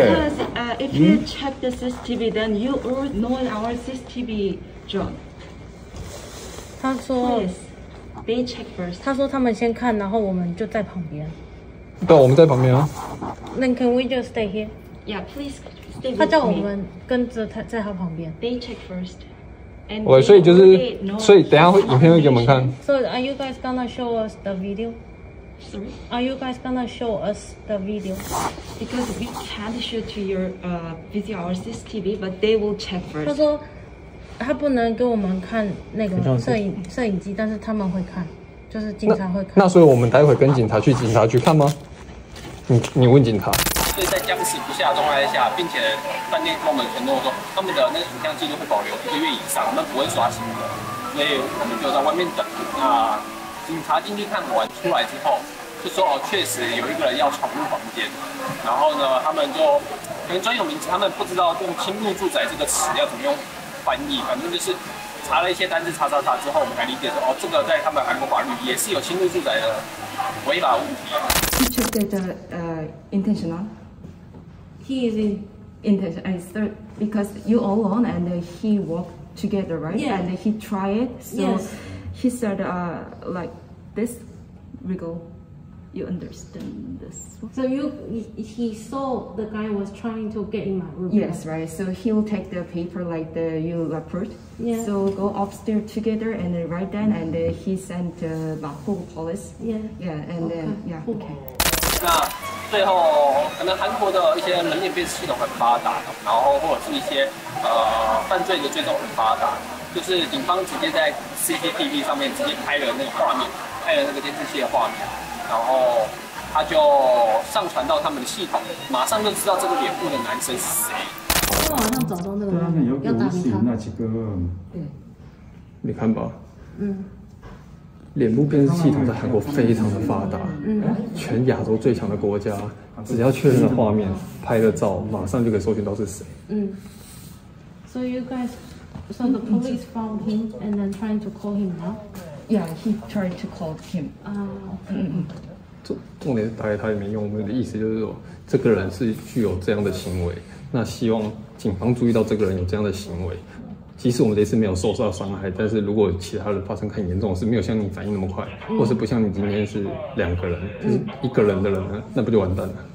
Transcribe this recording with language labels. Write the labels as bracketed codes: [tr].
[en] because if you check the CCTV, then you already know our CCTV job. [zh] 他说 [en] ，Please, they check first. [zh] 他说他们先看，然后我们就在旁边。对，我们在旁边啊。 [en] Then can we just stay here? Yeah, please. [zh] 他叫我们跟着他，在他旁边。 [en] They check first. [zh] 喂，所以就是，所以等一下影片会给我们看。 [en] So are you guys gonna show us the video? Sorry. Are you guys gonna show us the video? Because we can't show to your video or CCTV, but they will check first. [zh] 他说他不能给我们看那个摄影机，但是他们会看，就是警察会看。那所以我们待会跟警察去警察局看吗？你问警察。所以在僵持不下的状态下，并且饭店跟我们承诺说，他们的那个影像记录会保留一个月以上，我们不会刷新的，所以我们就在外面等。那警察进去看完出来之后，就说哦，确实有一个人要闯入房间，然后呢，他们就可能专有名词，他们不知道用侵入住宅这个词要怎么用翻译，反正就是查了一些单字，查之后，我们才理解说哦，这个在他们韩国法律也是有侵入住宅的违法问题。 [en] Check that intentional. He is intentional. I thought because you alone and he walked together, right? Yeah. And then he tried it. So yes. He said, like this, wriggle. You understand this? So he saw the guy was trying to get in my room. Yes, right. So he'll take the paper like the you approved. Yeah. So go upstairs together and then write down, and then he sent the Mapo police. Yeah. Yeah, and then, yeah, okay. [zh] 最后，可能韩国的一些门面辨识系统很发达，然后或者是一些犯罪的追踪很发达，就是警方直接在 CCTV 上面直接拍了那个画面，拍了那个监视器的画面，然后他就上传到他们的系统，马上就知道这个脸部的男生是谁。昨天晚上找到那个人，要打他。对，那几个，对，你看吧。嗯。脸部辨识系统在韩国非常的发达，全亚洲最强的国家，只要确认了画面，拍了照，马上就可以搜寻到是谁。嗯。 [en] So you guys, so the police found him and then trying to call him now? Yeah, he tried to call him. [zh] 重点是打给他也没用，我们的意思就是说，这个人是具有这样的行为，那希望警方注意到这个人有这样的行为。即使我们这次没有受到伤害，但是如果其他人发生很严重的事，没有像你反应那么快，或是不像你今天是两个人，就是一个人的人，那不就完蛋了？